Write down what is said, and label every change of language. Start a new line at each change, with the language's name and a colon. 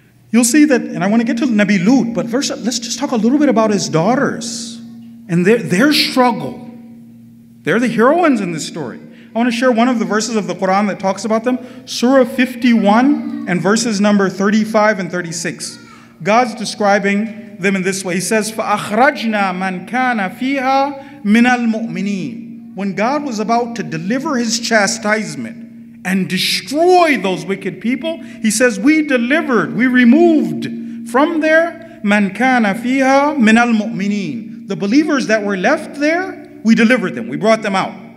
English: You'll see that, and I want to get to Nabi Lut, but first, let's just talk a little bit about his daughters and their struggle. They're the heroines in this story. I want to share one of the verses of the Quran that talks about them, Surah 51 and verses number 35 and 36. God's describing them in this way.
Arabic: He says, فَأَخْرَجْنَا مَنْ كَانَ فِيهَا مِنَ الْمُؤْمِنِينَ.
English: When God was about to deliver his chastisement and destroy those wicked people, he says, we removed from there
Arabic: مَنْ كَانَ فِيهَا مِنَ الْمُؤْمِنِينَ.
English: The believers that were left there, we delivered them. We brought them out.